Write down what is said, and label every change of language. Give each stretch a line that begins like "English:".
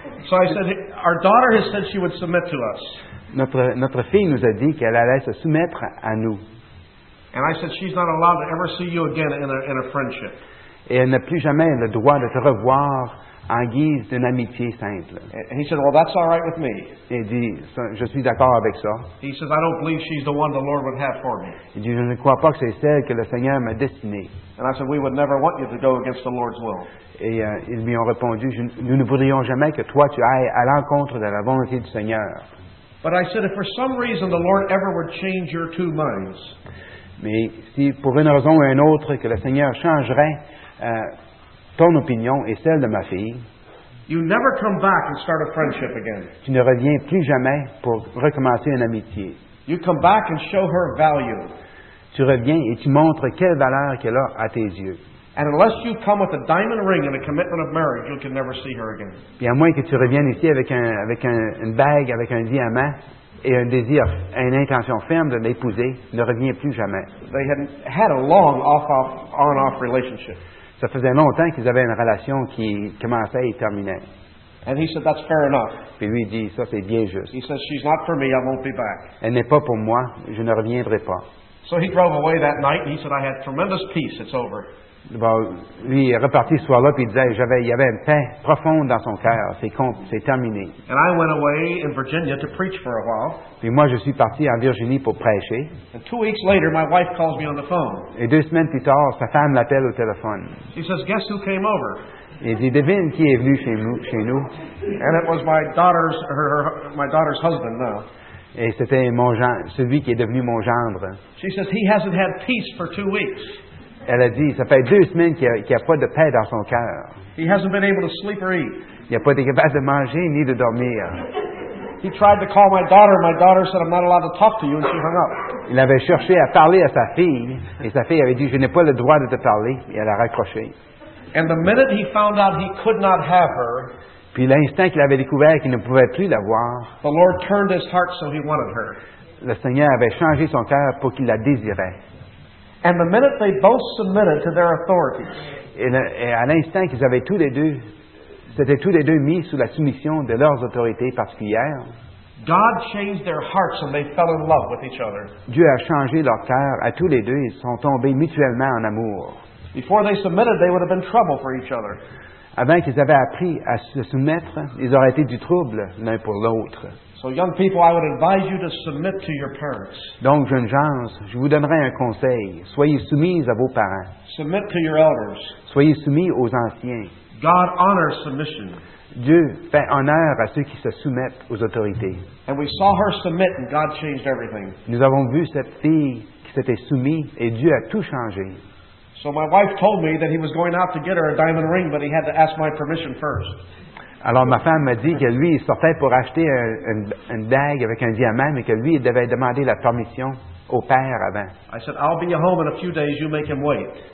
English: So I said, our daughter has said she would submit to us.
French: Notre fille nous a dit qu'elle allait se soumettre à nous.
English: And I said, she's not allowed to ever see you again in a friendship.
French: Et elle n'a plus jamais le droit de te revoir en guise d'une amitié simple.
English: And he said, well, that's all right with me.
French: Il dit, je suis d'accord avec ça.
English: He says, I don't believe she's the one the Lord would have for me.
French: Il dit, je ne crois pas que c'est celle que le Seigneur m'a destinée.
English: And I said, we would never want you to go against the Lord's will.
French: Et ils lui ont répondu, nous ne voudrions jamais que toi tu ailles à l'encontre de la volonté du Seigneur.
English: But I said, if for some reason the Lord ever would change your two minds.
French: Mais si pour une raison ou une autre que le Seigneur changerait ton opinion et celle de ma fille,
English: you never come back and start a friendship again.
French: Tu ne reviens plus jamais pour recommencer une amitié.
English: You come back and show her value.
French: Tu reviens et tu montres quelle valeur qu'elle a à tes yeux.
English: And unless you come with a diamond ring and a commitment of marriage, you can never see her again.
French: Et à moins que tu reviennes ici avec une bague, avec un diamant et un désir, une intention ferme de l'épouser, ne reviens plus jamais.
English: They had a long off-off, on-off relationship.
French: Ça faisait longtemps qu'ils avaient une relation qui commençait et terminait.
English: And he said, that's fair enough.
French: Puis lui dit, ça c'est bien juste.
English: He says, she's not for me, I won't be back.
French: Elle n'est pas pour moi, je ne reviendrai pas.
English: So he drove away that night and he said, I had tremendous peace, it's over.
French: Bon, lui est reparti ce soir-là puis il disait, il y avait une paix profonde dans son cœur, c'est terminé.
English: And I went away in Virginia to preach for a while.
French: Puis moi je suis parti en Virginie pour prêcher.
English: And 2 weeks later, my wife calls me on the phone.
French: Et 2 semaines plus tard, sa femme l'appelle au téléphone.
English: She says, guess who came over?
French: Il dit, devine qui est venu chez nous.
English: And it was my daughter's husband now.
French: Et c'était celui qui est devenu mon gendre.
English: She says, he hasn't had peace for 2 weeks.
French: Elle a dit, ça fait 2 semaines qu'il n'y a pas de paix dans son cœur.
English: He hasn't been able to sleep or eat.
French: Il n'a pas été capable de manger ni de dormir.
English: He tried to call my daughter. My daughter said, I'm not allowed to talk to you, and she hung up.
French: Il avait cherché à parler à sa fille, et sa fille avait dit, je n'ai pas le droit de te parler, et elle a raccroché.
English: And the minute he found out he could not have her,
French: puis l'instant qu'il avait découvert qu'il ne pouvait plus l'avoir,
English: the Lord turned his heart so he wanted her.
French: Le Seigneur avait changé son cœur pour qu'il la désirait.
English: And the minute they both submitted to their authorities,
French: et à l'instant qu'ils avaient tous les deux, c'était tous les deux mis sous la soumission de leurs autorités particulières,
English: God changed their hearts and they fell in love with each other.
French: Dieu a changé leur cœur à tous les deux, ils sont tombés mutuellement en amour.
English: Before they submitted, they would have been trouble for each other.
French: Avant qu'ils avaient appris à se soumettre, ils auraient été du trouble l'un pour l'autre.
English: So young people, I would advise you to submit to your parents.
French: Donc, jeunes gens, je vous donnerai un conseil. Soyez soumis à vos parents.
English: Submit to your elders.
French: Soyez soumis aux anciens.
English: God honors submission.
French: Dieu fait honneur à ceux qui se soumettent aux autorités.
English: And we saw her submit and God changed everything.
French: Nous avons vu cette fille qui s'était soumise et Dieu a tout changé.
English: So my wife told me that he was going out to get her a diamond ring, but he had to ask my permission first.
French: Alors ma femme m'a dit que lui, il sortait pour acheter une bague avec un diamant, mais que lui, il devait demander la permission au père avant.
English: I said, I'll be home in a few days, you make him wait.